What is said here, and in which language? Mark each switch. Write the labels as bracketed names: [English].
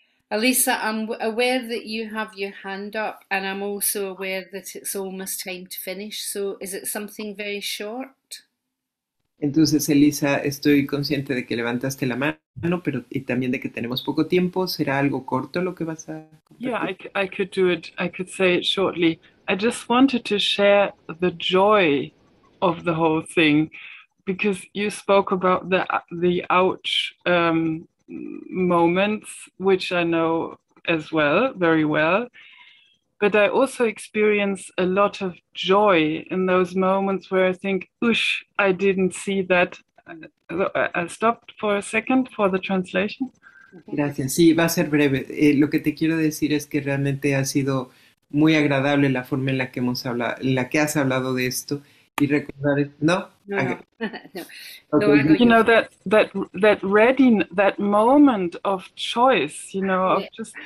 [English] Alisa, I'm aware that you have your hand up and I'm also aware that it's almost time to finish. So is it something very short? [Spanish] Entonces, Elisa, estoy consciente de que levantaste la mano, pero y también de que tenemos poco tiempo. ¿Será algo corto lo que vas a compartir? [English] Yeah, I could do it. I could say it shortly. I just wanted to share the joy of the whole thing because you spoke about the ouch moments, which I know as well, very well. But I also experience a lot of joy in those moments where I think, oosh, I didn't see that. I stopped for a second for the translation. [Spanish] Gracias. Sí, va a ser breve. Lo que te quiero decir es que realmente ha sido muy agradable la forma en la que hemos hablado, en la que has hablado de esto. Y recordar, ¿no? No, no. [English] Okay. You know that ready, that moment of choice, you know, of just